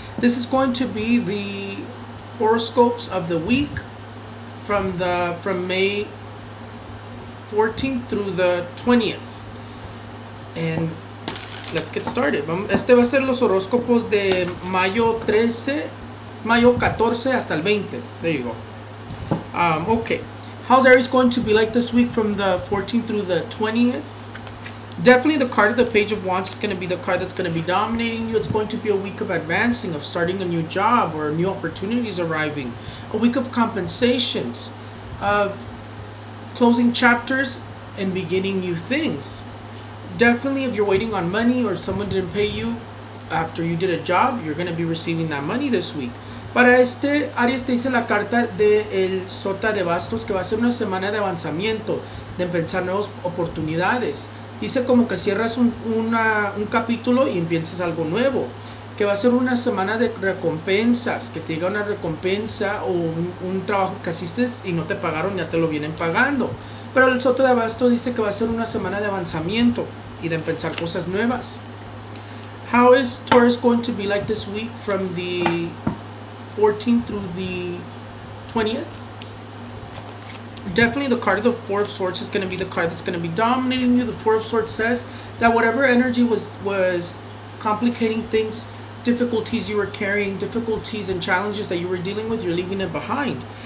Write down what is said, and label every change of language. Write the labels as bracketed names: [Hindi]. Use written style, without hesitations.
[English] This is going to be the horoscopes of the week from May 14th through the 20th. And let's get started. [Spanish] Este va a ser los horóscopos de mayo 14 hasta el 20. [English] There you go. Okay. How's Aries going to be like this week from the 14th through the 20th? Definitely the card of the Page of Wands is going to be the card that's going to be dominating you. It's going to be a week of advancing, of starting a new job or new opportunities arriving. A week of compensations, of closing chapters and beginning new things. Definitely if you're waiting on money or someone didn't pay you after you did a job, you're going to be receiving that money this week. [Spanish] Para este, Aries te dice la carta de el Sota de Bastos, que va a ser una semana de avanzamiento, de pensar nuevas oportunidades. Dice como que cierras un capítulo y empiezas algo nuevo. Que va a ser una semana de recompensas. Que te llega una recompensa o un trabajo que hiciste y no te pagaron, ya te lo vienen pagando. Pero el Soto de Abasto dice que va a ser una semana de avanzamiento y de empezar cosas nuevas. [English] How is Taurus going to be like this week from the 14th through the 20th? Definitely the card of the Four of Swords is going to be the card that's going to be dominating you. The Four of Swords says that whatever energy was complicating things, difficulties you were carrying, difficulties and challenges that you were dealing with, you're leaving it behind.